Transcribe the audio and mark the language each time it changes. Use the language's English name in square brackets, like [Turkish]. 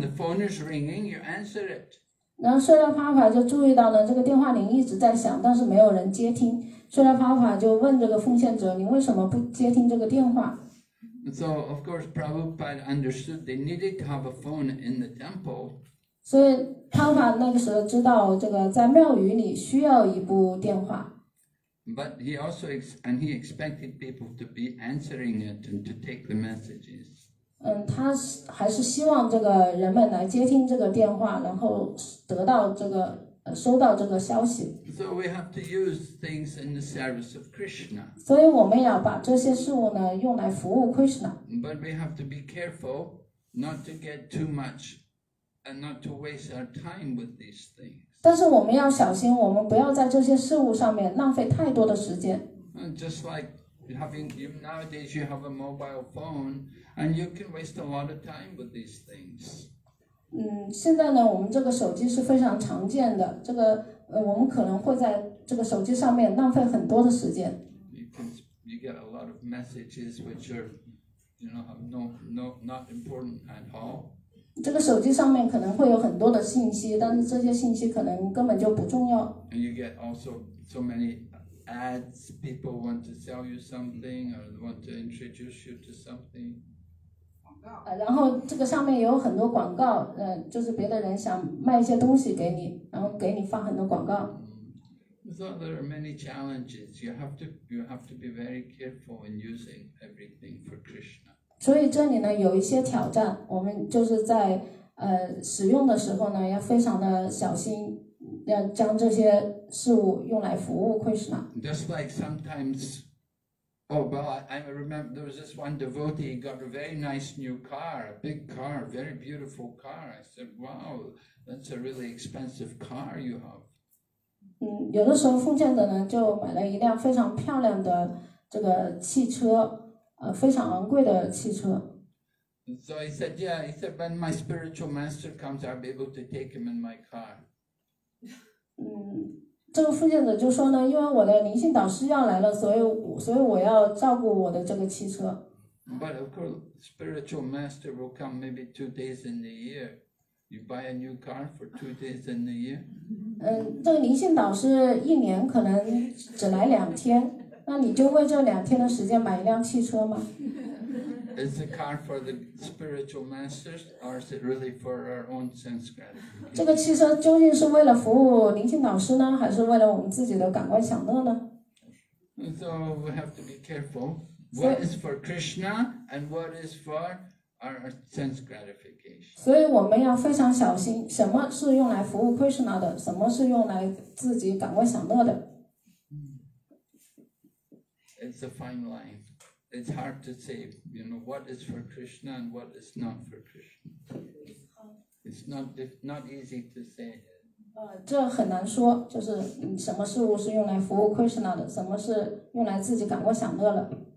[English] The phone is ringing. You answer it." [Chinese] 然后睡了帕帕就注意到了这个电话铃一直在响，但是没有人接听。睡了帕帕就问这个奉献者，你为什么不接听这个电话？ [English] So of course, Prabhupada understood they needed to have a phone in the temple. [Chinese] 所以帕帕那个时候知道这个在庙宇里需要一部电话。 [English] But he also and he expected people to be answering it and to take the messages. [Chinese] 他还是希望这个人们来接听这个电话，然后得到这个收到这个消息。 [English] So we have to use things in the service of Krishna. [Chinese] 所以我们要把这些事物呢用来服务 Krishna. [English] But we have to be careful not to get too much and not to waste our time with these things. [Chinese] 但是我们要小心，我们不要在这些事物上面浪费太多的时间。 [English] Just like having nowadays, you have a mobile phone, and you can waste a lot of time with these things. [Chinese] 现在呢，我们这个手机是非常常见的，这个我们可能会在这个手机上面浪费很多的时间。 [English] You get a lot of messages which are, you know, not important at all. [Chinese] 这个手机上面可能会有很多的信息，但是这些信息可能根本就不重要。 [English] And you get also so many ads. People want to sell you something or want to introduce you to something. [Chinese] 广告。然后这个上面有很多广告，就是别的人想卖一些东西给你，然后给你放很多广告。 [English] So there are many challenges. You have to be very careful in using everything for Krishna. [Chinese] 所以这里呢有一些挑战，我们就是在使用的时候呢要非常的小心，要将这些事物用来服务 Krishna。 [English] Just like sometimes Oh, well, I remember there was this one devotee, he got a very nice new car, a big car, very beautiful car. I said, wow, that's a really expensive car you have. [Chinese] 有的时候奉献者呢就买了一辆非常漂亮的这个汽车，非常昂贵的汽车。 [English] So he said, yeah, he said, when my spiritual master comes, I'll be able to take him in my car. [Chinese] 这个奉献者就说呢，因为我的灵性导师要来了，所以我要照顾我的这个汽车。 [English] But of course, spiritual master will come maybe 2 days in the year. You buy a new car for 2 days in the year? [Chinese] 这个灵性导师一年可能只来两天，那你就为这两天的时间买一辆汽车吗？ [English] Is the car for the spiritual masters, or is it really for our own sense gratification? [Chinese] 这个汽车究竟是为了服务灵性导师呢，还是为了我们自己的感官享乐呢？ [English] So we have to be careful. What is for Krishna, and what is for our sense gratification? [Chinese] 所以我们要非常小心，什么是用来服务 Krishna 的，什么是用来自己感官享乐的。 [English] It's a fine line. It's hard to say, you know, what is for Krishna and what is not for Krishna. It's not easy to say. [Chinese] 这很难说，就是什么事物是用来服务 Krishna 的，什么是用来自己感官享乐了。